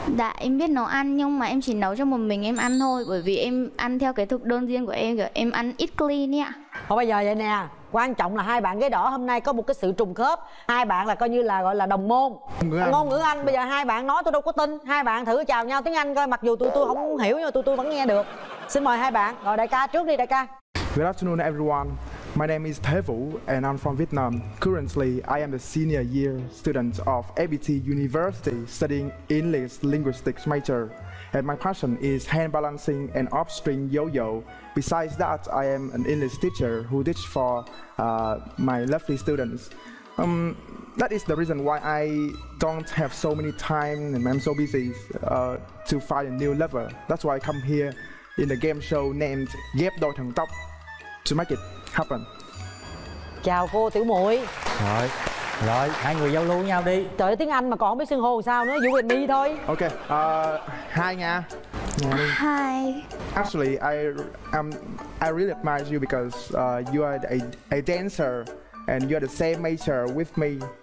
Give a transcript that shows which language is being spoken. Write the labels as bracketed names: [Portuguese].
[Vietnamese] Dạ, em biết nấu ăn nhưng mà em chỉ nấu cho một mình em ăn thôi. Bởi vì em ăn theo cái thực đơn riêng của em, kiểu em ăn ít clean ấy ạ. Thôi bây giờ vậy nè, quan trọng là hai bạn ghế đỏ hôm nay có một cái sự trùng khớp. Hai bạn là coi như là gọi là đồng môn ngôn ngữ Anh. Bây giờ hai bạn nói tôi đâu có tin. Hai bạn thử chào nhau tiếng Anh coi, mặc dù tụi tôi không hiểu nhưng mà tụi tôi vẫn nghe được. Xin mời hai bạn, rồi đại ca trước đi đại ca. [English] Good afternoon everyone. My name is Thế Vũ and I'm from Vietnam. Currently, I am the senior year student of ABT University studying English Linguistics major. And my passion is hand balancing and upstring yo-yo. Besides that, I am an English teacher who teach for my lovely students. That is the reason why I don't have so many time and I'm so busy to find a new lover. That's why I come here in a game show named Ghép Đôi Thần Tốc to make it happen. [Vietnamese] Chào cô Tiểu Muội. Rồi, rồi hai người giao lưu với nhau đi. Trời ơi, tiếng Anh mà còn không biết xưng hô sao nữa, Vũ Quỳnh đi thôi. [English] Ok, hi nha. Hi. Actually, I really admire you because you are a dancer and you are the same major with me.